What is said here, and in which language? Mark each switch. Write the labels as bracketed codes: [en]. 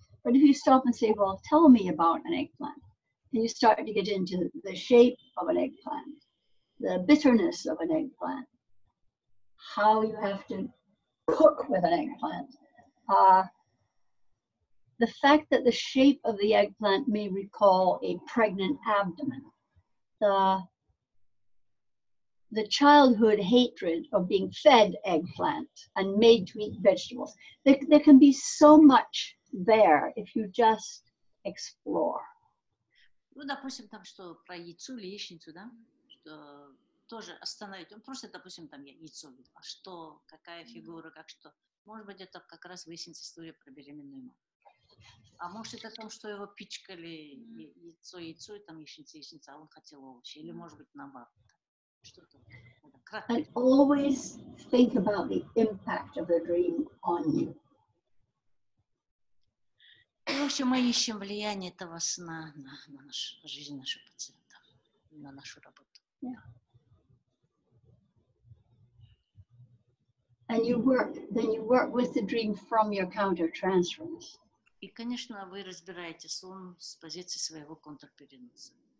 [en] But if you stop and say, well, tell me about an eggplant, and you start to get into the shape of an eggplant, the bitterness of an eggplant, how you have to cook with an eggplant, the fact that the shape of the eggplant may recall a pregnant abdomen, the childhood hatred of being fed eggplant and made to eat vegetables. There can be so much there if you just explore. [ru] Ну, допустим, там что про яйцо или яичницу, да? Что тоже остановить. Он просто, допустим, там яйцо. А что, какая фигура, как что? Может быть, это как раз выяснится история про беременную маму. А может, это о том, что его пичкали яйцо, и там яичница, а он хотел овощи. Или, может быть, наоборот. [en] And always think about the impact of the dream on you. [ru] В общем, мы ищем влияние этого сна на нашу жизнь, нашего пациента, на нашу работу. [en] Yeah. And you work with the dream from your counter transference. [ru] И, конечно, вы разбираете сон с позиции своего контрпереноса.